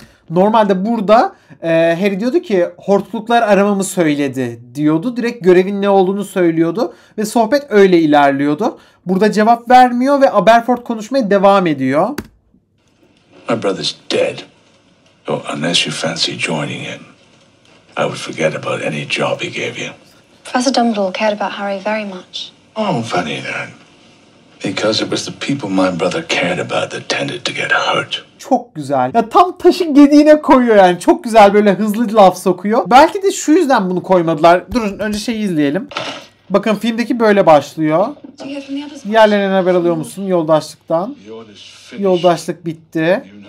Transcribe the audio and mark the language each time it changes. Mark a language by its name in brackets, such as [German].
[Turkish] Normalde burada Harry diyordu ki hortkuluklar aramamı söyledi diyordu. Direkt görevin ne olduğunu söylüyordu ve sohbet öyle ilerliyordu. Burada cevap vermiyor ve Aberforth konuşmaya devam ediyor. [English] My brother's dead. So unless you fancy joining him, I would forget about any job he gave you. Professor Dumbledore cared about Harry very much. Oh, funny then. Because it was the people my brother cared about that tended to get hurt. [Turkish] Çok güzel. Ya tam taşı gediğine koyuyor yani. Çok güzel böyle hızlı laf sokuyor. Belki de şu yüzden bunu koymadılar. Durun önce şeyi izleyelim. Bakın filmdeki böyle başlıyor. Diğerlerine haber alıyor musun yoldaşlıktan? Yoldaşlık bitti.